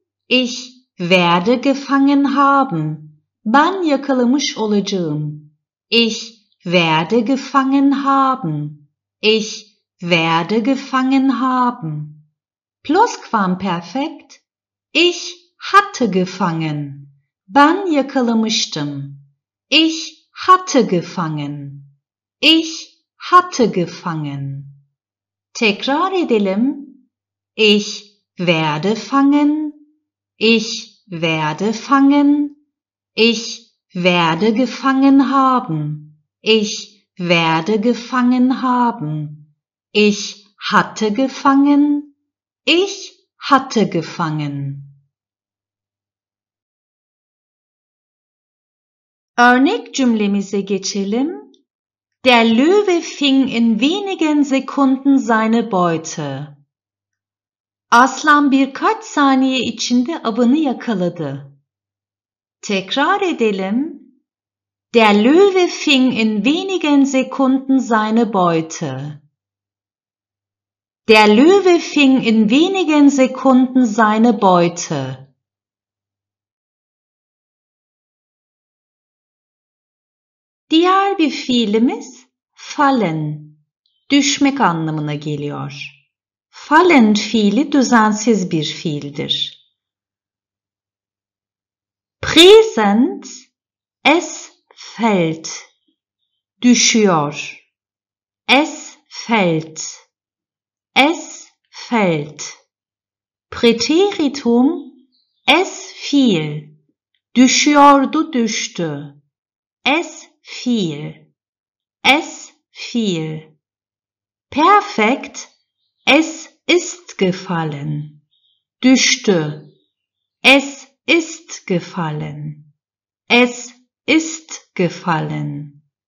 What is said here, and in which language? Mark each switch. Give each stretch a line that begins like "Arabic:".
German: Ich werde gefangen haben.
Turkish: Ben yakalamış olacağım.
German: Ich werde gefangen haben. Ich werde gefangen haben. Plusquamperfekt. Ich hatte gefangen.
Turkish: Ben yakalamıştım.
German: Ich hatte gefangen. Ich hatte gefangen.
Turkish: Tekrar edelim.
German: Ich werde fangen. Ich werde fangen. Ich werde gefangen haben. Ich werde gefangen haben. Ich hatte gefangen. Ich hatte gefangen.
Turkish: Örnek cümlemize geçelim.
German: Der Löwe fing in wenigen Sekunden seine Beute.
Turkish: Aslan birkaç saniye içinde avını yakaladı. Tekrar edelim.
German: Der Löwe fing in wenigen Sekunden seine Beute. Der Löwe fing in wenigen Sekunden seine Beute.
Turkish: Diğer bir fiilimiz fallen, düşmek anlamına geliyor. Fallen fiili düzensiz bir fiildir.
German: Präsent, es fällt,
Turkish: düşüyor.
German: Es fällt, es fällt. Präteritum, es fiel,
Turkish: düşüyordu, düştü.
German: Es fiel, es fiel. Perfekt, es ist gefallen,
Turkish: düşte.
German: Es ist gefallen, es ist gefallen.